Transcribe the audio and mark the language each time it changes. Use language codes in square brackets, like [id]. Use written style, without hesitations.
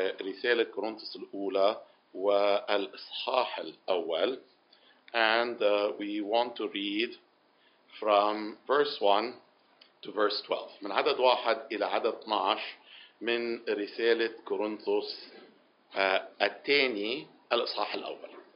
[ar] رسالة كورنثوس الأولى والإصحاح الأول. [en] And we want to read from verse 1 to verse 12. [ar] من عدد 1 إلى عدد 12 من رسالة كورنثوس الثاني الإصحاح الأول.